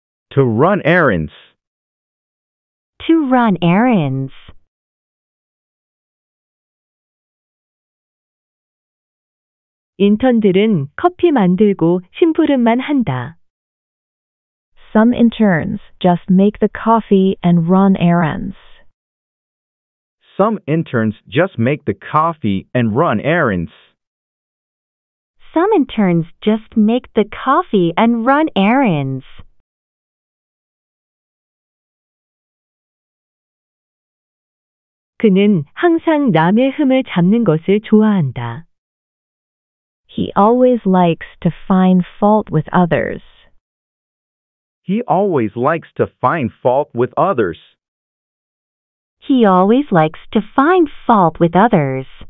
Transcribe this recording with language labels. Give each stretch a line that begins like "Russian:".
English: To run errands. To run errands.
Korean: 인턴들은 커피 만들고 심부름만 한다.
English: Some interns just make the coffee and run errands. Some interns just make the coffee and run errands. Some interns just make the coffee and run errands.
Korean: 그는 항상 남의 흠을 잡는 것을 좋아한다.
English: He always likes to find fault with others. He always likes to find fault with others. He always likes to find fault with others.